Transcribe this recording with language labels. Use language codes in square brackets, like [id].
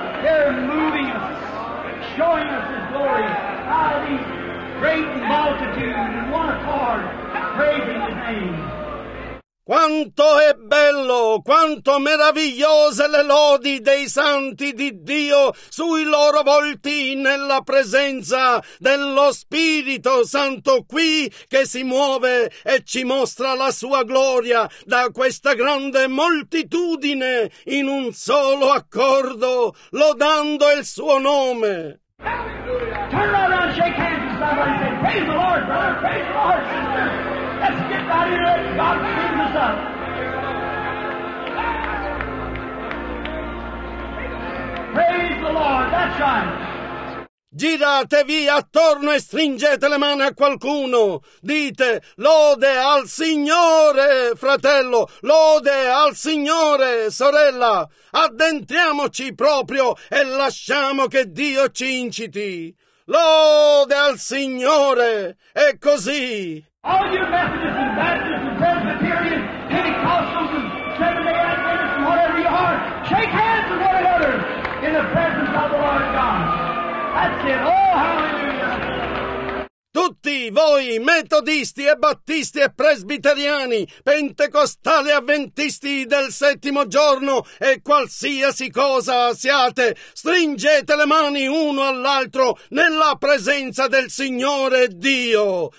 [en] They're moving us, showing us His glory. How these great multitudes in one accord praising His name. [it] Quanto è bello, quanto meravigliose le lodi dei santi di Dio sui loro volti nella presenza dello Spirito Santo qui che si muove e ci mostra la sua gloria da questa grande moltitudine in un solo accordo, lodando il suo nome. [en] Turn around and shake hands with somebody and say, praise the Lord, brother, praise the Lord, sister. Let's get out of here and let God clean us up. Praise the Lord, that's right. [it] Giratevi attorno e stringete le mani a qualcuno. Dite, lode al Signore, fratello, lode al Signore, sorella. Addentriamoci proprio e lasciamo che Dio ci inciti. Lode al Signore, è così. [en] All you Methodists and Baptists and Presbyterians, Pentecostals and Seventh-day Adventists and whatever you are, shake hands with one another in the presence of the Lord God. That's it. Oh, hallelujah. [it] Tutti voi, metodisti e battisti e presbiteriani, pentecostali e avventisti del settimo giorno e qualsiasi cosa siate, stringete le mani uno all'altro nella presenza del Signore Dio.